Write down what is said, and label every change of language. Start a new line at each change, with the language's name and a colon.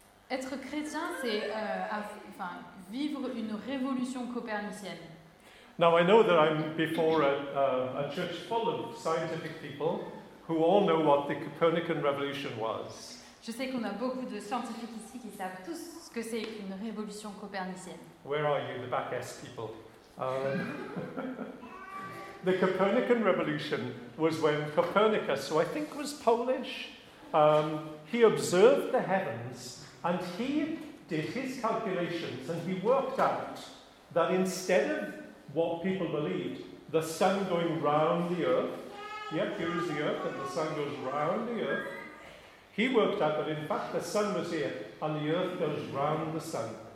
French: Être chrétien, c'est vivre une révolution copernicienne.
English: Now I know that I'm before a church full of scientific people who all know what the Copernican revolution was.
French: Je sais qu'on a beaucoup de scientifiques ici qui savent tous ce que c'est une révolution copernicienne.
English: Where are you, the back S people? The Copernican revolution was when Copernicus, who I think was Polish, he observed the heavens and he did his calculations and he worked out that instead of what people believed, the sun going round the earth, yep, here is the earth and the sun goes round the earth, he worked out that in fact the sun was here and the earth goes round the sun.